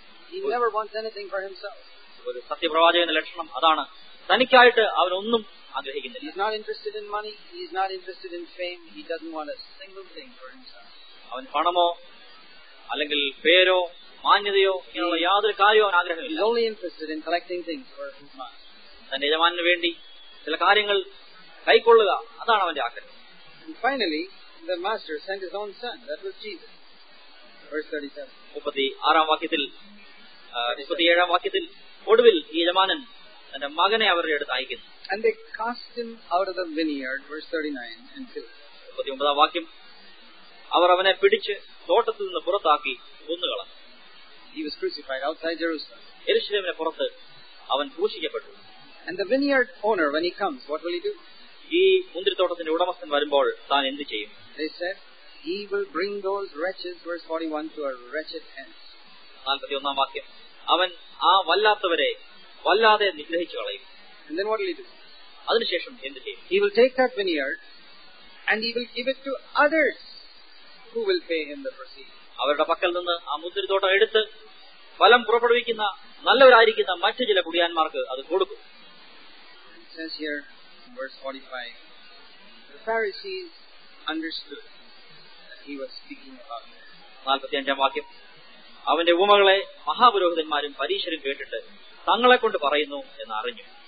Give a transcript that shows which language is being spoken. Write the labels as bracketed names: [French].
[English] He never wants anything for himself. [Malayalam] ഒരു സത്യപ്രവാചകന്റെ ലക്ഷണം അതാണ്. തനിക്കായിട്ട് അവൻ ഒന്നും ആഗ്രഹിക്കുന്നില്ല. [English] He is not interested in money. He is not interested in fame. He doesn't want a single thing for himself. [Malayalam] അവൻ പണമോ അല്ലെങ്കിൽ പേരോ മാന്യതയോ എന്നുള്ള യാതൊരു കാര്യവും ആഗ്രഹമില്ല. [English] He is only interested in collecting things for his master. [Malayalam] തന്റെ യജമാനു വേണ്ടി ചില കാര്യങ്ങൾ കൈക്കൊള്ളുക അതാണ് അവന്റെ ആഗ്രഹം. [English] And finally, the master sent his own son. That was Jesus. Verse 37. [Malayalam] 36-ാം വാക്യത്തിൽ 37-ാം വാക്യത്തിൽ ഒടുവിൽ ഈ യജമാനൻ തന്റെ മകനെ അവരുടെ അടുത്ത് അയക്കുന്നു. [English] And they cast him out of the vineyard, verse 39 and 40. [Malayalam] 39-ാം വാക്യം അവർ അവനെ പിടിച്ച് തോട്ടത്തിൽ നിന്ന് പുറത്താക്കി കൊന്നുകളഞ്ഞു. [English] He was crucified outside Jerusalem. [Malayalam] യെരുശലേമിനെ പുറത്ത് അവൻ ക്രൂശിക്കപ്പെട്ടു. [English] And the vineyard owner, when he comes, what will he do? [Malayalam] ഈ മുന്തിരിത്തോട്ടത്തിന്റെ ഉടമസ്ഥൻ വരുമ്പോൾ താൻ എന്ത് ചെയ്യും? [English] They said, he will bring those wretches, verse 41, to a wretched end. [Malayalam] 41-ാം വാക്യം അവൻ ആ വല്ലാത്തവരെ വല്ലാതെ നിഗ്രഹിച്ചു കളയും. [English] And then what will he do? [Malayalam] അതിനുശേഷം എന്ത് ചെയ്യും? [English] He will take that vineyard and he will give it to others who will pay him the proceeds. [Malayalam] അവരുടെ പക്കൽ നിന്ന് ആ മുന്തിരിത്തോട്ടം എടുത്ത് ഫലം പുറപ്പെടുവിക്കുന്ന നല്ലവരായിരിക്കുന്ന മറ്റു ചില കുടിയാന്മാർക്ക് അത് കൊടുക്കും. [English] It says here, verse 45, the Pharisees understood that he was speaking about them. [Malayalam] 45-ാം വാക്യം അവന്റെ ഉപമകളെ മഹാപുരോഹിതന്മാരും പരീശരും കേട്ടിട്ട് തങ്ങളെ കൊണ്ട് പറയുന്നു എന്ന് അറിഞ്ഞു.